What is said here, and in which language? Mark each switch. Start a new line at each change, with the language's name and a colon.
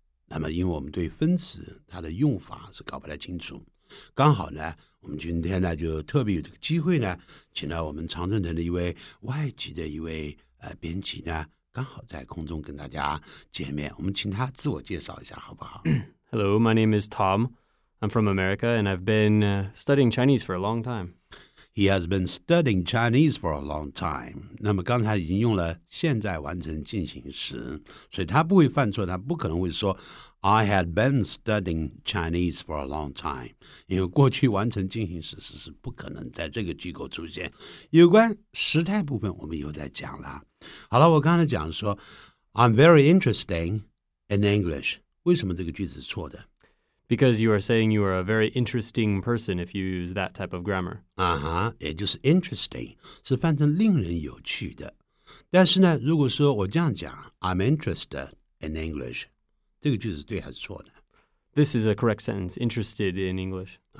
Chinese: 那么因为我们对分词它的用法是搞不太清楚。刚好呢我们今天呢就特别有这个机会呢请到我们长春藤的一位外籍的一位编辑呢刚好在空中跟大家见面，我们请他自我介绍一下好不好？
English: Hello, my name is Tom. I'm from America and I've been studying Chinese for a long time. He has been studying Chinese for a long time.
Chinese: 那么刚才已经用了现在完成进行时，所以他不会犯错，他不可能会说
English: I had been studying Chinese for a long time.
Chinese: 因为过去完成进行时是不可能在这个句构出现。有关时态部分我们以后再讲啦。好了，我刚才讲说
English: I'm very interesting in English.
Chinese: 为什么这个句子是错的？
English: Because you are saying you are a very interesting person if you use that type of grammar.
Chinese: 也就是 interesting 是翻成令人有趣的。但是呢，如果说我这样讲
English: I'm interested in English.
Chinese: 这个句子对还是错的？
English: This is a correct sentence, interested in English.